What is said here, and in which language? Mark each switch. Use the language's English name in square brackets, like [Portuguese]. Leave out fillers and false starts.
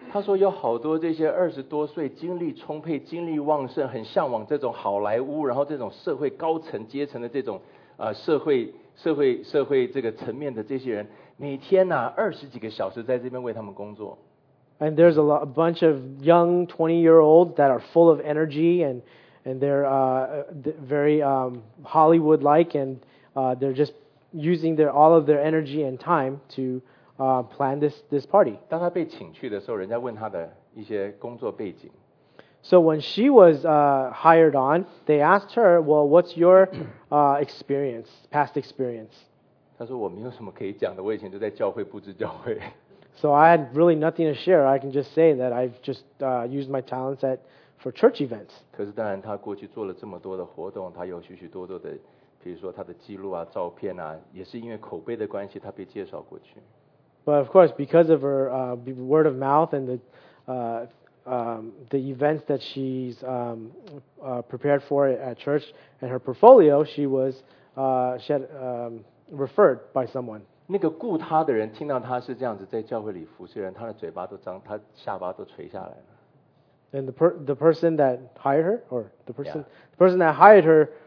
[Chinese] 他说有好多这些二十多岁、精力充沛、精力旺盛、很向往这种好莱坞，然后这种社会高层阶层的这种。社会这个层面的这些人，每天呐、啊、二十几个小时在这边为他们工作。 [English] And there's a bunch of young 20-year-olds that are full of energy and they're very Hollywood-like and they're just using all of their energy and time to plan this party. [Chinese] 当他被请去的时候，人家问他的一些工作背景。 [English] So when she was hired on, they asked her, "Well, what's your past experience?" [Chinese] 她说我没有什么可以讲的，我以前就在教会布置教会。 [English] So I had really nothing to share. I can just say that I've just used my talents at, for church events. [Chinese] 可是当然他过去做了这么多的活动，他有许许多多的。比如说她的记录啊，照片啊，也是因为口碑的关系，她被介绍过去。 [English] But of course, because of her word of mouth and the events that she's prepared for at church and her portfolio, she was referred by someone. [Chinese] 那个雇她的人听到她是这样子在教会里服侍人，她的嘴巴都张，她下巴都垂下来了。 [English] And the person that hired her, or the person, yeah. The person that hired her.